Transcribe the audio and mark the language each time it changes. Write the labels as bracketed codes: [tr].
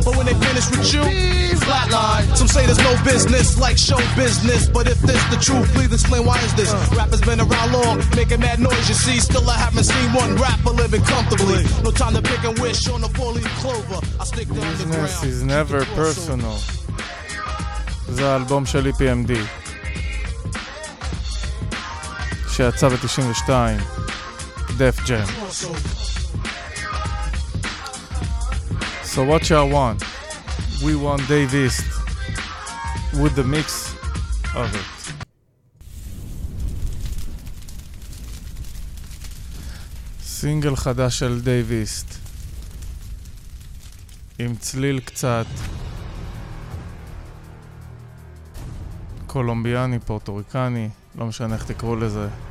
[en] But when they finish with you, flatline. Some say there's no business, like show business. But if this the truth, please explain why is this. Rappers been around long, making mad noise, you see. Still I haven't seen one rapper living comfortably. No time to pick and wish on a four-leaf clover. I stick to business the ground. Is never personal. [he] זה האלבום של EPMD שיצא ב-92, Def Jam. [en] So what y'all want? We want Dave East with the mix of it. [he] סינגל חדש של Dave East עם צליל קצת קולומביאני, פורטוריקני, לא משנה איך תקראו לזה.